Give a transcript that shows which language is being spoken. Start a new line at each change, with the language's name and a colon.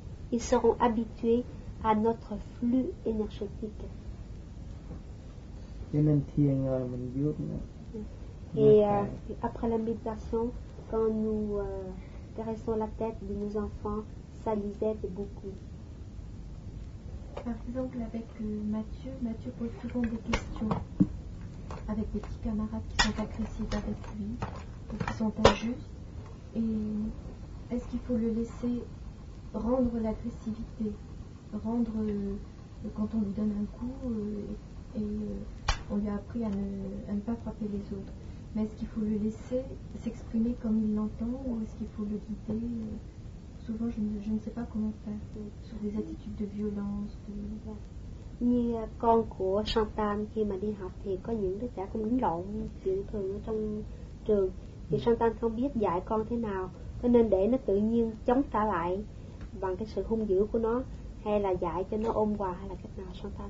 French: Ils seront habitués à notre flux énergétique.
Vietnamese: Cho nên thiền rồi mình vuốt nó.
French: Après la méditation, quand nous caressons la tête de nos enfants, ça les aide beaucoup. Par exemple, avec Mathieu pose souvent des questions avec des petits camarades qui sont agressifs avec lui ou qui sont injustes. Et est-ce qu'il faut le laisser rendre l'agressivité, rendre quand on lui donne un coup on lui a appris à ne pas frapper les autres. Mais est-ce qu'il faut le laisser s'exprimer comme il l'entend ou est-ce qu'il faut le guider? Souvent, je ne sais pas comment faire sur des attitudes de violence.
Vietnamese: Như con của Shantan khi mà đi học thì có những đứa trẻ cũng đánh lộn chuyện thường ở trong trường. Thì Shantan không biết dạy con thế nào, cho nên để nó tự nhiên chống trả lại bằng cái sự hung dữ của nó. Hay là dạy cho nó ôn hòa hay là cách nào sao ta?